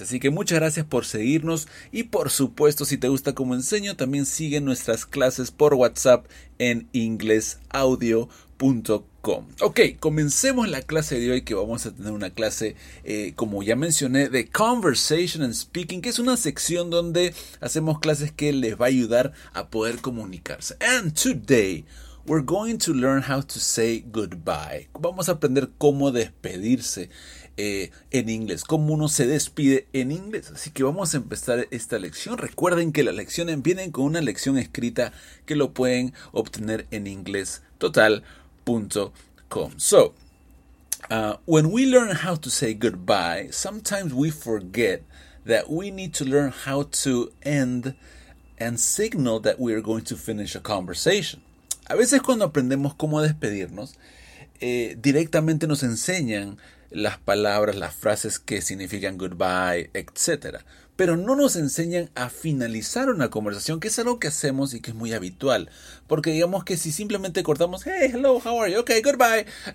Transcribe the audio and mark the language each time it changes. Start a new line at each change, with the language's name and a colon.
Spanish: Así que muchas gracias por seguirnos y por supuesto, si te gusta cómo enseño, también sigue nuestras clases por WhatsApp en inglesaudio.com. Ok, comencemos la clase de hoy, que vamos a tener una clase, como ya mencioné, de Conversation and Speaking, que es una sección donde hacemos clases que les va a ayudar a poder comunicarse.
English: And today, we're going to learn how to say goodbye.
Spanish: Vamos a aprender cómo despedirse en inglés, cómo uno se despide en inglés. Así que vamos a empezar esta lección. Recuerden que las lecciones vienen con una lección escrita que lo pueden obtener en inglés total.
English: When we learn how to say goodbye, sometimes we forget that we need to learn how to end and signal that we are going to finish a conversation.
Spanish: A veces cuando aprendemos cómo despedirnos, directamente nos enseñan las palabras, las frases que significan goodbye, etc. Pero no nos enseñan a finalizar una conversación, que es algo que hacemos y que es muy habitual. Porque digamos que si simplemente cortamos,
English: hey, hello, how are you? Okay, goodbye.